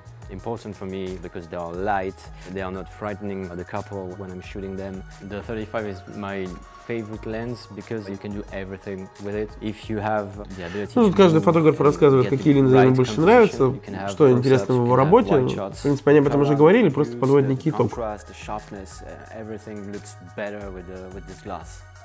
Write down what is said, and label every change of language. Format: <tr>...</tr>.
<en>Important for me because they are light, they are not frightening the couple when I'm shooting them. The 35 is my favorite lens because you can do everything with it. If you have the ability to</en> <ru>каждый фотограф рассказывает, какие линзы ему больше нравятся, что интересно в его работе. В принципе, они об этом уже говорили, просто подводят некий итог.</ru> <en>Contrast, the sharpness, everything looks better with the, with this glass.</en>